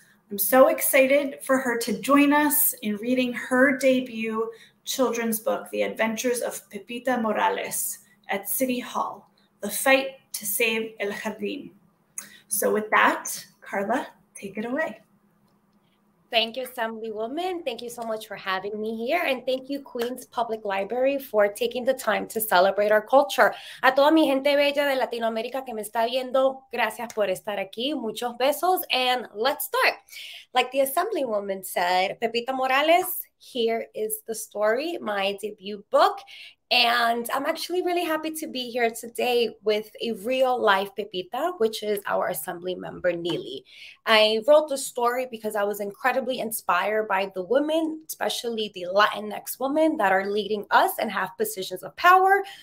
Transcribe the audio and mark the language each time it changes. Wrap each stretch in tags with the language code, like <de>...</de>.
<en>I'm so excited for her to join us in reading her debut children's book, The Adventures of Pepita Morales, at City Hall, The Fight to Save El Jardin. So with that, Karla, take it away. Thank you, Assemblywoman. Thank you so much for having me here. And thank you, Queens Public Library, for taking the time to celebrate our culture.</en> <es>A toda mi gente bella de Latinoamérica que me está viendo, gracias por estar aquí. Muchos besos.</es> <en>And let's start. Like the Assemblywoman said, Pepita Morales, here is the story, my debut book. And I'm actually really happy to be here today with a real life Pepita, which is our assembly member, Nily. I wrote the story because I was incredibly inspired by the women, especially the Latinx women that are leading us and have positions of power.</en>